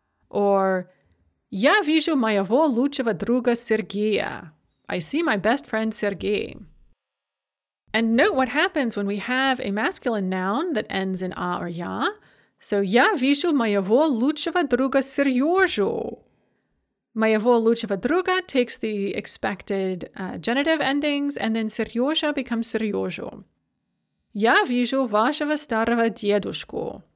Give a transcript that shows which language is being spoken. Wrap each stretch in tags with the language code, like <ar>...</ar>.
<ru>Or, Я вижу моего лучшего друга Сергея.</ru> <en>I see my best friend Сергей. And note what happens when we have a masculine noun that ends in А or Я.</en> <ru>So, Я вижу моего лучшего друга Сережу. Моего лучшего друга</ru> <en>takes the expected genitive endings, and then Серёжа becomes Серёжу.</en> <ru>Я вижу вашего старого дедушку.</ru>